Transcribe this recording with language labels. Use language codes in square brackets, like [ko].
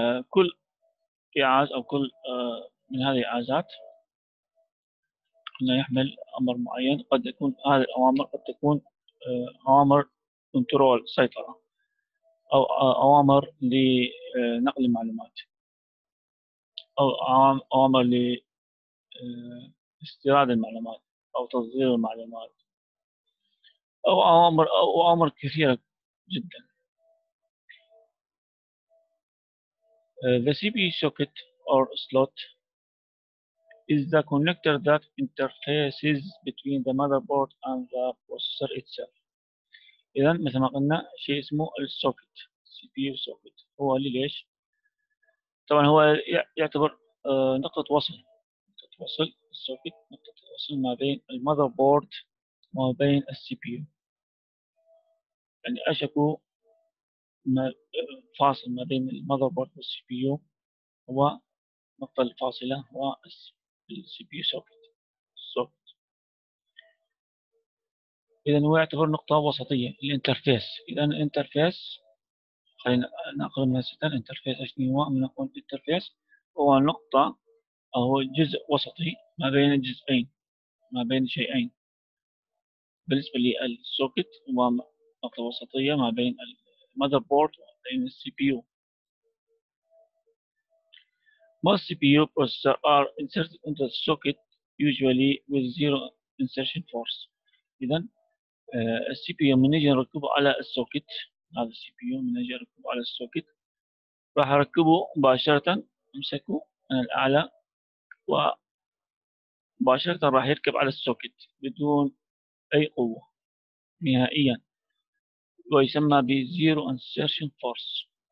[ar] كل إعاز أو كل من هذه الإعازات يحمل أمر معين، قد يكون هذه الأوامر قد تكون أوامر كنترول سيطرة أو أوامر لنقل المعلومات أو أوامر لاستيراد المعلومات أو تصدير المعلومات أو أوامر كثيرة جدا. [en] The CPU socket or slot is the connector that interfaces between the motherboard and the processor itself. [ar] إذا مثل ما قلنا شيء اسمه السوكت CPU socket هو ليش؟ طبعا هو يعتبر نقطة وصل السوكت نقطة وصل ما بين المذربورد وما بين CPU. يعني أشكو فاصل ما بين المذربورد والCPU هو نقطة الفاصلة هو CPU socket. إذا هو يعتبر نقطة وسطية الانترفيس. إذا الانترفيس خلينا نقرا مثلا الانترفيس ايش هو، نقول الانترفيس هو نقطة أو جزء وسطي ما بين الجزئين ما بين شيئين. بالنسبة للسوكت هو نقطة وسطية ما بين المذربورد وما بين CPU. [en] Most CPU processors are inserted into the socket usually with zero insertion force. [ar] إذا CPU من يجي نركبه على السوكت، هذا CPU من يجي نركبه على السوكت راح أركبه مباشرة، أمسكه من الأعلى ومباشرة راح يركب على السوكت بدون أي قوة نهائيا، ويسمى بـ Zero Insertion Force.